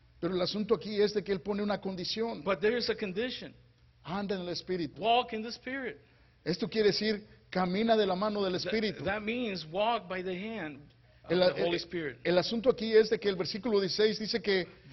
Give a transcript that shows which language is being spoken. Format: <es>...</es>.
<es>Pero el asunto aquí es de que Él pone una condición.</es> <en>But there is a condition.</en> <es>Anda en el Espíritu.</es> <en>Walk in the Spirit.</en> <es>Esto quiere decir, camina de la mano del Espíritu.</es> <en>That means walk by the hand of the Holy Spirit.</en> <es>El asunto aquí es de que el versículo 16 dice que...</es>